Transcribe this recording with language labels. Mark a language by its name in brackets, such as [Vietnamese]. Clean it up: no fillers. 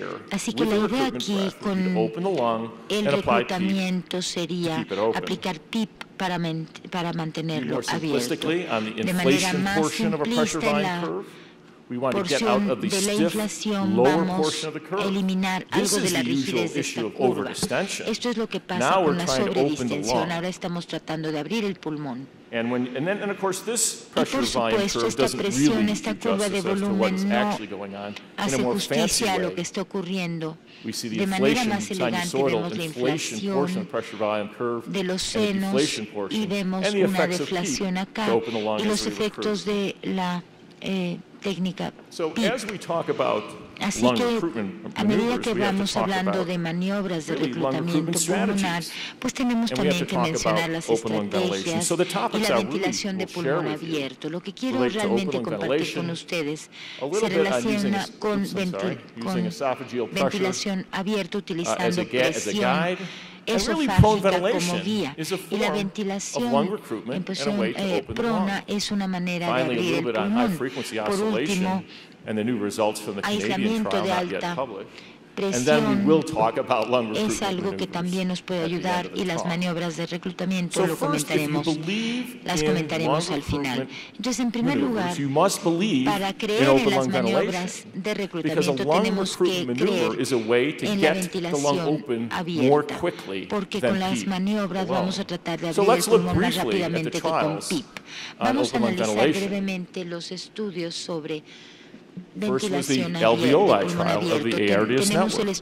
[Spanish] Así que la idea aquí con el reclutamiento sería aplicar PEEP para mantenerlo abierto. De manera más simplista, en la porción de la inflación vamos a eliminar algo de la rigidez de esta curva. Esto es lo que pasa con la sobredistensión. Ahora estamos tratando de abrir el pulmón. [English] And of course, this pressure volume curve doesn't really do justice as to what's actually going on. In a more fancy way, we see the inflation, sinusoidal inflation portion of pressure volume curve, and the deflation portion, and the effects of PEEP to open the lung as we recruit. So as we talk about [Spanish] así que, a medida que vamos hablando de maniobras de reclutamiento pulmonar, pues tenemos también que mencionar las estrategias y la ventilación de pulmón abierto. Lo que quiero realmente compartir con ustedes se relaciona con ventilación abierta utilizando presión esofágica como guía. Y la ventilación en posición prona es una manera de abrir el pulmón. Por último, [English] and the new results from the Canadian trial not yet published. [Spanish] presión es algo que también nos puede ayudar y las maniobras de reclutamiento lo comentaremos, las comentaremos al final. Entonces, en primer lugar, para creer en las maniobras de reclutamiento tenemos que creer en la ventilación abierta, porque con las maniobras vamos a tratar de abrir el pulmón más rápidamente que con PEEP. Vamos a analizar brevemente los estudios sobre [English] First was the alveoli trial of the ARDS network.